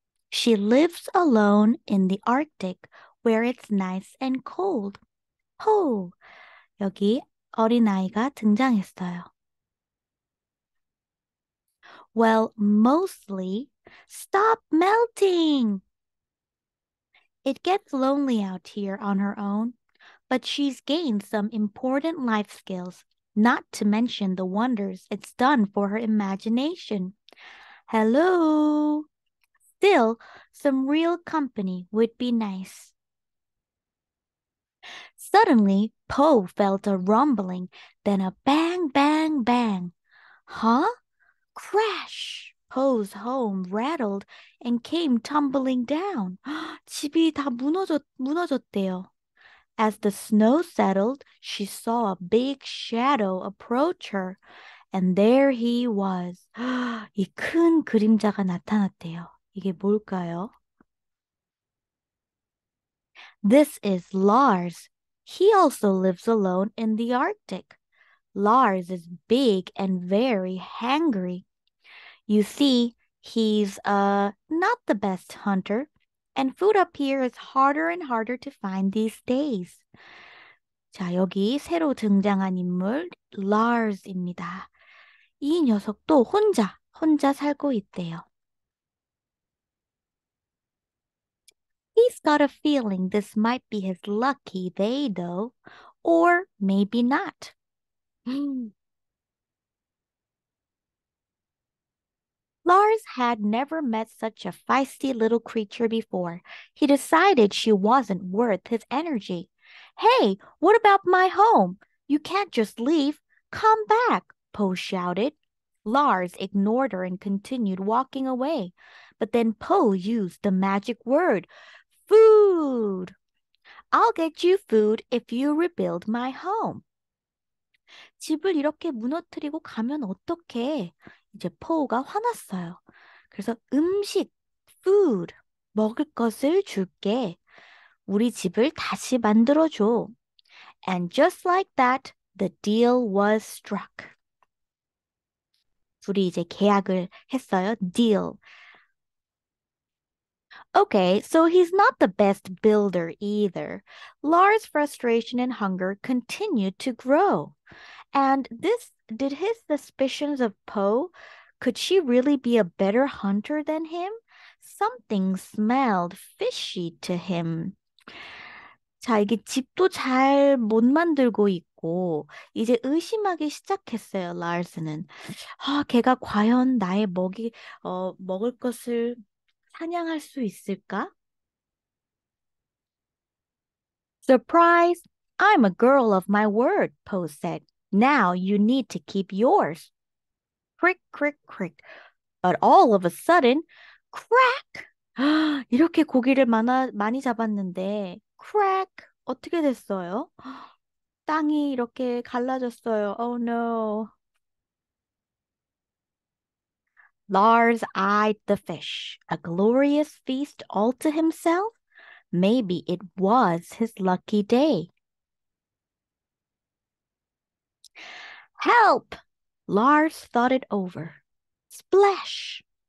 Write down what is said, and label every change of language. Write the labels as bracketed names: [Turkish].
[English] She lives alone in the Arctic where it's nice and cold. Poe. [Korean] 여기 어린아이가 등장했어요. [English] Well, mostly. Stop melting! It gets lonely out here on her own, but she's gained some important life skills, not to mention the wonders it's done for her imagination. Hello! Still, some real company would be nice. Suddenly, Poe felt a rumbling, then a bang, bang, bang. Huh? Crash! Poe's home rattled and came tumbling down. [Korean] 집이 다 무너졌대요. [English] As the snow settled, she saw a big shadow approach her, and there he was. [Korean] 이큰 그림자가 나타났대요. 이게 뭘까요? [English] This is Lars. He also lives alone in the Arctic. Lars is big and very hangry. You see, he's not the best hunter, and food up here is harder and harder to find these days. [Korean] 자, 여기 새로 등장한 인물 Lars입니다. 이 녀석도 혼자 살고 있대요. [English] He's got a feeling this might be his lucky day, though, or maybe not. Lars had never met such a feisty little creature before. He decided she wasn't worth his energy. Hey, what about my home? You can't just leave. Come back, Poe shouted. Lars ignored her and continued walking away. But then Poe used the magic word, food. I'll get you food if you rebuild my home. [Korean] 집을 이렇게 무너뜨리고 가면 어떡해? 이제 포우가 화났어요. 그래서 음식, food, 먹을 것을 줄게. 우리 집을 다시 만들어줘. [English] And just like that, the deal was struck. [Korean] 둘이 이제 계약을 했어요. [English] Deal. Okay, so he's not the best builder either. Lars' frustration and hunger continued to grow. And this, did his suspicions of Poe, could she really be a better hunter than him? Something smelled fishy to him. [Korean] 자, 이게 집도 잘못 만들고 있고, 이제 의심하기 시작했어요, 라르스는. 아, 걔가 과연 나의 먹을 것을 사냥할 수 있을까? [English] Surprise! I'm a girl of my word, Poe said. Now you need to keep yours. Crick, crick, crick. But all of a sudden, crack! [Korean] 이렇게 고기를 많이 잡았는데, [English] crack! [Korean] 어떻게 됐어요? 땅이 이렇게 갈라졌어요. [English] Oh no. Lars eyed the fish, a glorious feast all to himself. Maybe it was his lucky day. Help! Lars thought it over. Splash!